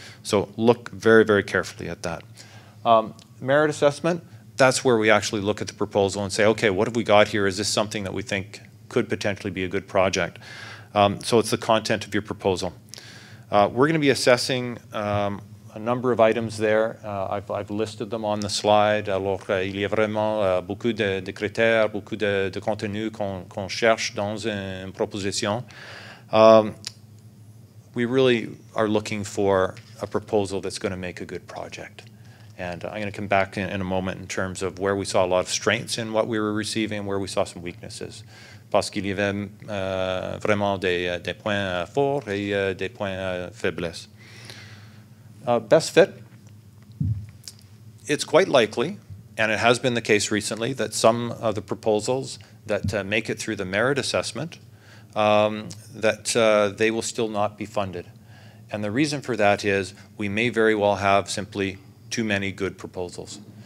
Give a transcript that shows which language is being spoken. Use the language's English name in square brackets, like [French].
[English] So look very, very carefully at that. Merit assessment, that's where we actually look at the proposal and say, okay, what have we got here? Is this something that we think could potentially be a good project? So it's the content of your proposal. We're going to be assessing a number of items there. I've listed them on the slide. [French] Alors, il y a vraiment beaucoup de critères, beaucoup de contenu qu'on cherche dans une proposition. [English] We really are looking for a proposal that's going to make a good project. And I'm going to come back in a moment in terms of where we saw a lot of strengths in what we were receiving and where we saw some weaknesses. [French] Parce qu'il y avait vraiment des points forts et des points faibles. [English] Best fit, it's quite likely, and it has been the case recently, that some of the proposals that make it through the merit assessment, they will still not be funded. And the reason for that is we may very well have simply too many good proposals.